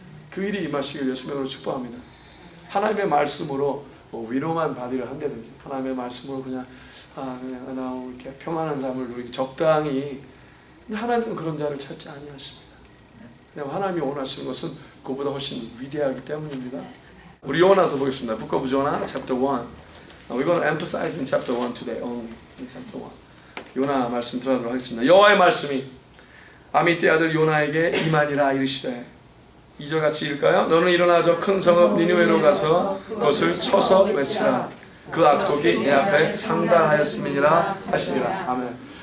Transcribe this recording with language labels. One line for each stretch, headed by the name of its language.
Korean: 그 일이 임하시길 예수님으로 축복합니다. 하나님의 말씀으로 위로만 받으려 한다든지 하나님의 말씀으로 그냥 이렇게 평안한 삶을 누리기 적당히 하나님은 그런 자를 찾지 아니하십니다. 그냥 하나님이 원하시는 것은 그보다 훨씬 위대하기 때문입니다. 우리 요나서 보겠습니다.
English: Book of Jonah, Chapter 1. We're going to emphasize in Chapter 1 today. Only in Chapter 1.
Korean: 요나 말씀 들어가도록 하겠습니다. 여호와의 말씀이 아미띠 아들 요나에게 임하니라 이르시되 2절 같이 읽을까요? 너는 일어나 저 큰 성읍 니느웨로 가서 그것을 쳐서 외치라. 그 악독이 내 앞에 상달하였음이니라 하시니라. 아멘.